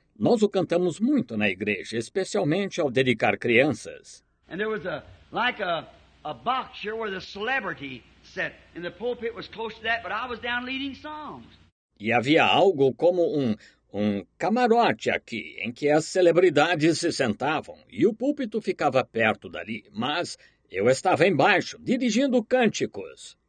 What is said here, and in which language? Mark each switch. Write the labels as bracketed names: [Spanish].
[Portuguese] Nós o cantamos muito na igreja, especialmente ao dedicar crianças. [English] And there was a box here where the celebrity sat, and the pulpit was close to that, but I was down leading songs. [Portuguese] E havia algo como um camarote aqui, em que as celebridades se sentavam, e o púlpito ficava perto dali, mas eu estava embaixo, dirigindo cânticos.